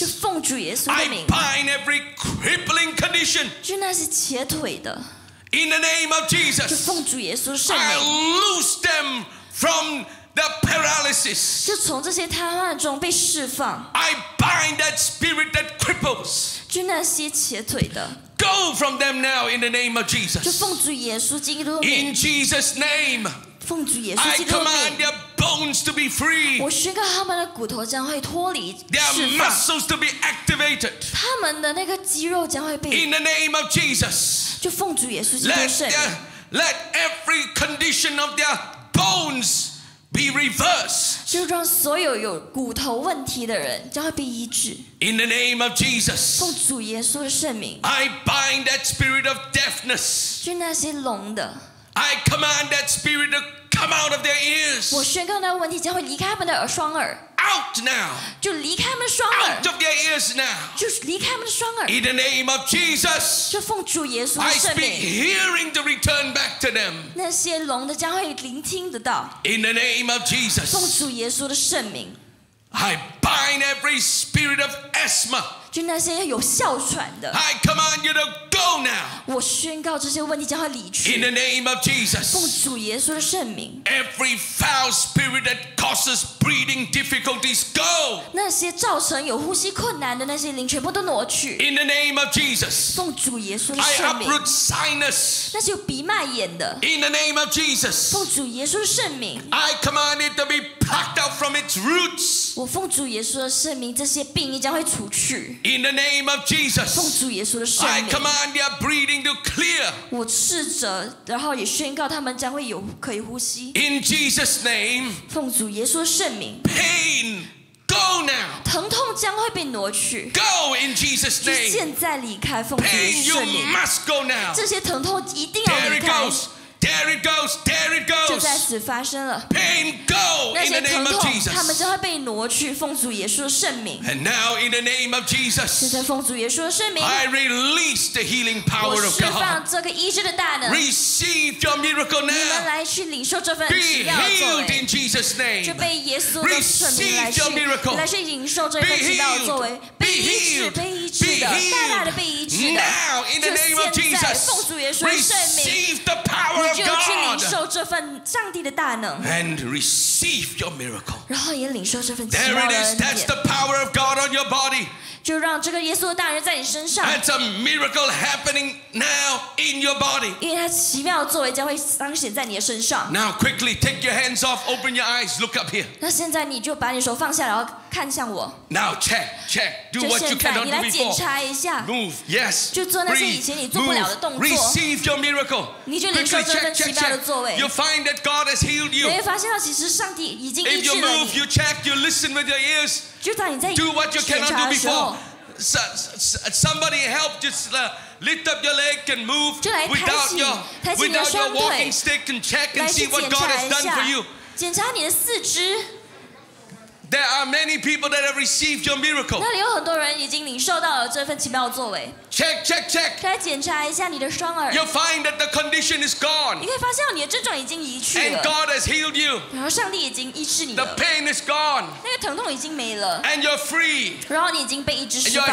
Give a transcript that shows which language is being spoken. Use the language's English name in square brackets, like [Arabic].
[Chinese] 就奉主耶稣的名。 [English] I bind every crippling condition. [Chinese] 就那些瘸腿的。 [English] In the name of Jesus. [Chinese] 就奉主耶稣圣名。 [English] I loose them from the paralysis. [Chinese] 就从这些瘫痪中被释放。 [English] I bind that spirit that cripples. [Chinese] 就那些瘸腿的。 [English] Go from them now in the name of Jesus. [Chinese] 就奉主耶稣基督的名。 [English] In Jesus' name. [Chinese] 奉主耶稣基督的名。 [English] I command their bones to be free. [Chinese] 我宣告他们的骨头将会脱离释放。 [English] Their muscles to be activated. [Chinese] 他们的那个肌肉将会被。 [English] In the name of Jesus. [Chinese] 就奉主耶稣基督的圣名。 [English] Let every condition of their bones be reversed. [Chinese] 就让所有有骨头问题的人将会被医治。 [English] In the name of Jesus, [Chinese] 奉主耶稣的圣名 [English] I bind that spirit of deafness. [Chinese] 就那些聋的 [English] I command that spirit to come out of their ears. [Chinese] 我宣告那个问题将会离开他们的双耳 [English] Out now. [Chinese] 就离开他们的双耳 [English] Out of their ears now. [Chinese] 就离开他们的双耳 [English] In the name of Jesus, [Chinese] 就奉主耶稣的圣名 [English] I speak hearing to return back to them. [Chinese] 那些聋的将会聆听得到 [English] In the name of Jesus, [Chinese] 奉主耶稣的圣名 [English] I bind every spirit of asthma. [Chinese] 就那些有哮喘的。 [English] I command you to go now. [Chinese] 我宣告这些问题将它离去。 [English] In the name of Jesus. [Chinese] 奉主耶稣的圣名。 [English] Every foul spirit that causes breathing difficulties, go. [Chinese] 那些造成有呼吸困难的那些灵，全部都挪去。 [English] In the name of Jesus. [Chinese] 奉主耶稣的圣名。 [English] I uproot sinus. [Chinese] 那些有鼻脉炎的。 [English] In the name of Jesus. [Chinese] 奉主耶稣的圣名。 [English] I command it to be plucked out from its roots. [Chinese] 我奉主耶稣的圣名，这些病也将会除去。 [English] In the name of Jesus, I command their breathing to clear. [Chinese] 我斥责，然后也宣告他们将会有可以呼吸。 [English] In Jesus' name, [Chinese] 奉主耶稣的圣名。 [English] Pain, go now. [Chinese] 疼痛将会被挪去。 [English] Go in Jesus' name. [Chinese] 现在离开，奉主耶稣的圣名。 [English] Pain, you must go now. [Chinese] 这些疼痛一定要离开。 [English] There it goes. There it goes. There it goes. [Chinese] 就在此发生了。 [English] Pain, go. In the name of Jesus. [Chinese] 他们将会被挪去，奉主耶稣的圣名。 [English] And now, in the name of Jesus. [Chinese] 现在奉主耶稣的圣名。 [English] I release the healing power of God. [Chinese] 我释放这个医治的大能。 [English] Receive your miracle now. [Chinese] 你们来去领受这份奇妙作为。 [English] Be healed in Jesus' name. [Chinese] 就被耶稣的圣名来去。 [English] Receive your miracle. [Chinese] 来去领受这份奇妙作为。 [English] Be healed. Be healed. [Chinese] 大大的被医治的。 [English] Now, in the name of Jesus. [Chinese] 奉主耶稣的圣名。 [English] Receive the power. [Chinese] 你就去领受这份上帝的大能 [English] ，and receive your miracle， [Chinese] 然后也领受这份奇妙的恩典。 [English] There it is. That's the power of God on your body. [Chinese] 就让这个耶稣的大人在你身上。 [English] That's a miracle happening now in your body. [Chinese] 因为他奇妙的作为将会彰显在你的身上。 [English] Now quickly take your hands off, open your eyes, look up here. [Chinese] 那现在你就把你手放下，然后看向我。 [English] Now check, do what you cannot do before. [Chinese] 你来检查一下。 [English] Move, yes. [Chinese] 就做那些以前你做不了的动作。 [English] Receive your miracle. [Chinese] 你就领受。 [English] Check. You find that God has healed you. [Chinese] 你会发现到其实上帝已经医治了你。 [English] If you move, you check, you listen with your ears. [Chinese] 就当你在检查的时候。 [English] Do what you cannot do before. Somebody help, just lift up your leg and move without your walking stick and check and see what God has done for you. [Chinese] 检查你的四肢。 [English] There are many people that have received your miracle. [Chinese] 那里有很多人已经领受到了这份奇妙的作为。 [English] Check. [Chinese] 来检查一下你的双耳。 [English] You'll find that the condition is gone. [Chinese] 你可以发现你的症状已经移去了。 [English] And God has healed you. [Chinese] 然后上帝已经医治你了。 [English] The pain is gone. [Chinese] 那个疼痛已经没了。 [English] And you're free. [Chinese] 然后你已经被医治释放了。